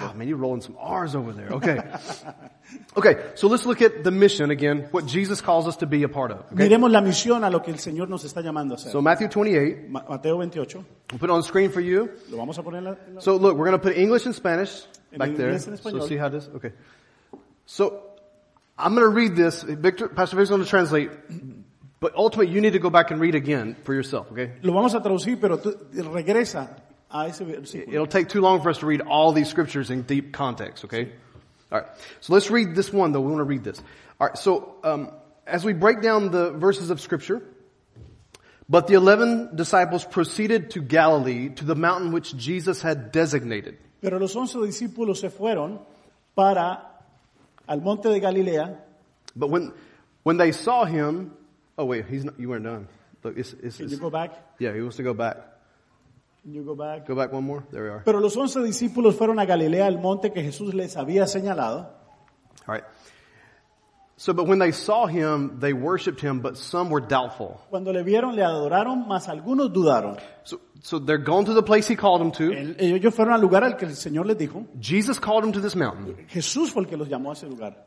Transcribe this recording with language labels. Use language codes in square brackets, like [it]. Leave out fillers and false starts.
[en] Wow, man, you're rolling some R's over there. Okay. Okay, so let's look at the mission again, what Jesus calls us to be a part of. Okay? [es] Miremos la misión a lo que el Señor nos está llamando a hacer. [en] So Matthew 28. [es] Mateo 28. [en] We'll put it on the screen for you. [es] Lo vamos a poner [en] so look, we're going to put English and Spanish [es] en [en] back there. [es] En español. [en] So see how this, okay. So I'm going to read this. Victor, Pastor Victor is going to translate. But ultimately, you need to go back and read again for yourself, okay? [es] Lo vamos a traducir, pero regresa. [en] It'll take too long for us to read all these scriptures in deep context, okay? All right, so let's read this one, though. We want to read this. All right, so as we break down the verses of scripture, but the 11 disciples proceeded to Galilee, to the mountain which Jesus had designated. [es] Pero los 11 discípulos se fueron para al monte de Galilea. [en] But when they saw him, oh, wait, he's not, you weren't done. Look, it's, can you go back? Yeah, he wants to go back. You go back. Go back one more. There we are. [es] Pero los 11 discípulos fueron a Galilea al monte que Jesús les había señalado. [en] All right. So, but when they saw him, they worshipped him, but some were doubtful. [es] Cuando le vieron, le adoraron, mas algunos dudaron. [en] So they're going to the place he called them to. [es] Ellos fueron al lugar al que el Señor les dijo. [en] Jesus called them to this mountain. [es] Jesús fue el que los llamó a ese lugar.